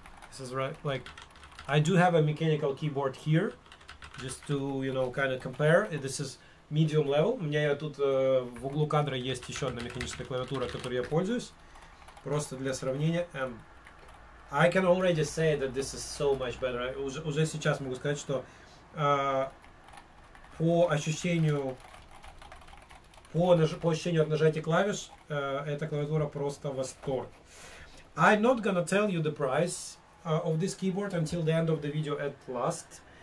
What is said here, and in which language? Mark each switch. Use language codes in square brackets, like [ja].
[en] This is right, like, I do have a mechanical keyboard here, just to, you know, kind of compare. This is medium level. [ru] У меня тут в углу кадра есть еще одна механическая клавиатура, которой я пользуюсь, просто для сравнения. [en] And I can already say that this is so much better. [ru] Уже сейчас могу сказать, что по ощущению... По ощущению от нажатия клавиш, эта клавиатура просто восторг. [en] I'm not gonna tell you the price of this keyboard until the end of the video at last.